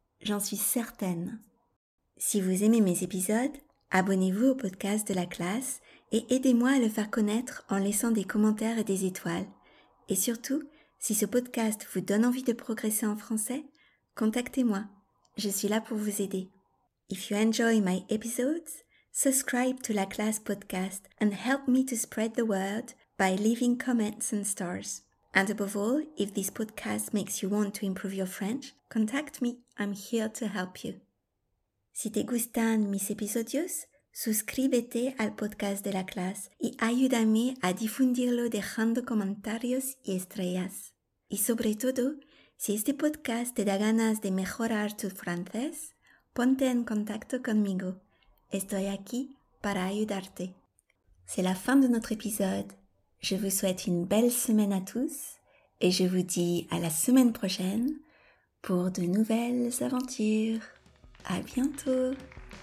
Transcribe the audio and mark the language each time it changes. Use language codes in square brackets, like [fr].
[fr] J'en suis certaine. Si vous aimez mes épisodes, abonnez-vous au podcast de la classe et aidez-moi à le faire connaître en laissant des commentaires et des étoiles. Et surtout, si ce podcast vous donne envie de progresser en français, contactez-moi, je suis là pour vous aider. [en] If you enjoy my episodes, subscribe to La Classe Podcast and help me to spread the word by leaving comments and stars. And above all, if this podcast makes you want to improve your French, contact me, I'm here to help you. [es] Si te gustan mis episodios, suscríbete al podcast de La Classe y ayúdame a difundirlo dejando comentarios y estrellas. Y sobre todo, si este podcast te da ganas de mejorar tu francés, ponte en contacto conmigo. Estoy aquí para ayudarte. [fr] C'est la fin de notre épisode. Je vous souhaite une belle semaine à tous et je vous dis à la semaine prochaine pour de nouvelles aventures. À bientôt !